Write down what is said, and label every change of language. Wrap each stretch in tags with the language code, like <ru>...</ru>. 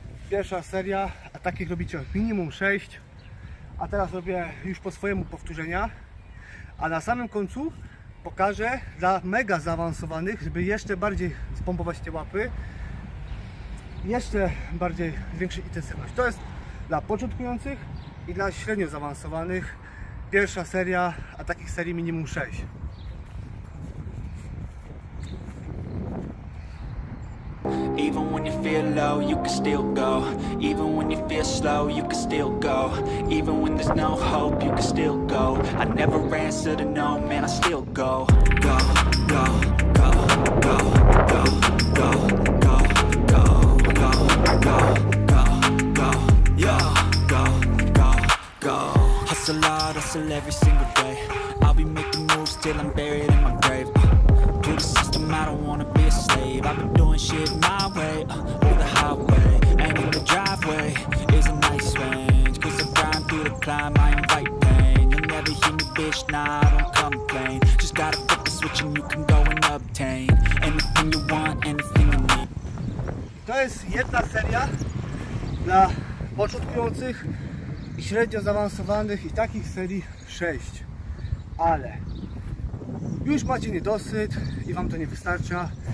<pl>Pierwsza seria, a a takich robicie minimum 6. A teraz robię już po swojemu powtórzenia, a na samym końcu pokażę dla mega zaawansowanych, żeby jeszcze bardziej spompować te łapy, jeszcze bardziej zwiększyć intensywność. To jest dla początkujących i dla średnio zaawansowanych pierwsza seria, a takich serii minimum 6.</pl> <en>Even when you feel low, you can still go. Even when you feel slow, you can still go. Even when there's no hope, you can still go. I never answer to no, man, I still go. Go, go, go, go, go, go, go, go, go, go, go, go, yo, go, go, go. Hustle hard, hustle every single day. I'll be making moves till I'm buried in my grave. To the system, I don't wanna be a slave. I've been doing shit my way, through the highway. And in the driveway is a nice range. Cause I grind through the climb, I invite pain. You'll never hear me, bitch, nah, I don't complain. Just gotta flip the switch and you can go and obtain anything you want, anything you need.</en> <pl>To jest jedna seria dla początkujących i średnio zaawansowanych i takich serii 6. Ale już macie niedosyt i wam to nie wystarcza.</pl>